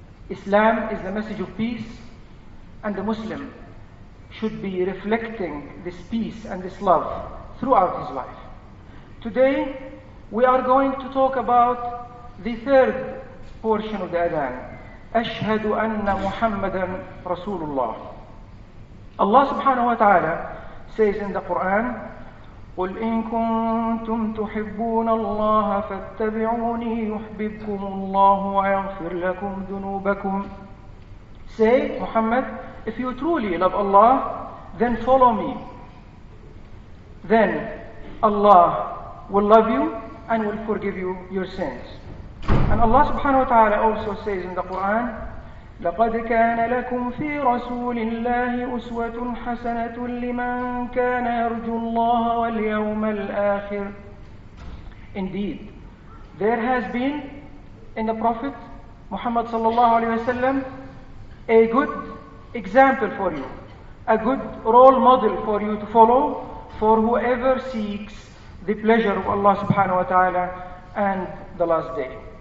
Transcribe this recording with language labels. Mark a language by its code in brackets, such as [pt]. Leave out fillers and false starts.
[en] Islam is the message of peace, and the Muslim should be reflecting this peace and this love throughout his life. Today, we are going to talk about the third portion of the Adhan. [ar] Ashhadu anna Muhammadan Rasulullah. [en] Allah subhanahu wa ta'ala says in the Quran, [ar] قُلْ إِن كُنْتُمْ تُحِبُّونَ اللَّهَ فَاتَّبِعُونِي يُحْبِبْكُمُ اللَّهُ وَيَغْفِرْ لَكُمْ ذُنُوبَكُمْ. [en] Say, Muhammad, if you truly love Allah, then follow me. Then Allah will love you and will forgive you your sins. And Allah subhanahu wa ta'ala also says in the Quran, [ar] لَقَدْ كَانَ لَكُمْ فِي رَسُولِ اللَّهِ أُسْوَةٌ حَسَنَةٌ لِمَنْ كَانَ يَرْجُ اللَّهَ وَالْيَوْمَ الْآخِرِ. [en] Indeed, there has been in the Prophet Muhammad sallallahu alayhi wa sallam a good example for you, a good role model for you to follow, for whoever seeks the pleasure of Allah subhanahu wa ta'ala and the last day.